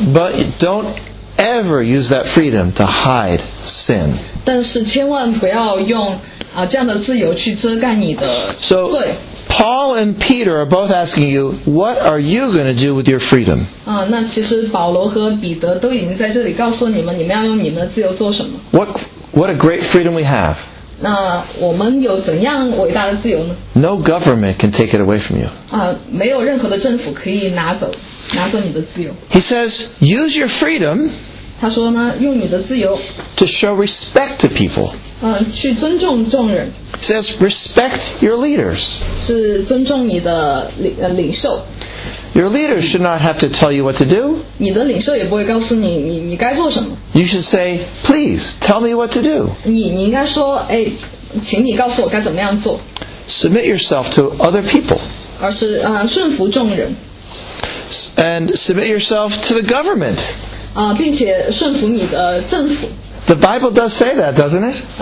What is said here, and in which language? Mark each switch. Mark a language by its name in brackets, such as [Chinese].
[English] But don't ever use that freedom to hide sin. [Chinese] 但是千万不要用这样的自由去遮盖你的罪。 [English] So, Paul and Peter are both asking you, what are you going to do with your freedom? [Chinese] 那其实保罗和彼得都已经在这里告诉你们，你们要用你们的自由做什么？ [English] What a great freedom we have. [Chinese] 那我们有怎样伟大的自由呢？ [English] No government can take it away from you. [Chinese] 没有任何的政府可以拿走你的自由。 [English] He says, use your freedom. [Chinese] 他说呢，用你的自由。 [English] To show respect to people. [Chinese] 去尊重众人。 [English] Says respect your leaders. [Chinese] 是尊重你的领袖。 [English] Your leaders should not have to tell you what to do. [Chinese] 你的领袖也不会告诉你你该做什么。 [English] You should say, please tell me what to do. [Chinese] 你应该说，哎，请你告诉我该怎么样做。 [English] Submit yourself to other people. [Chinese] 而是顺服众人。 [English] And submit yourself to the government. [Chinese] 并且顺服你的政府。 [English] The Bible does say that, doesn't it?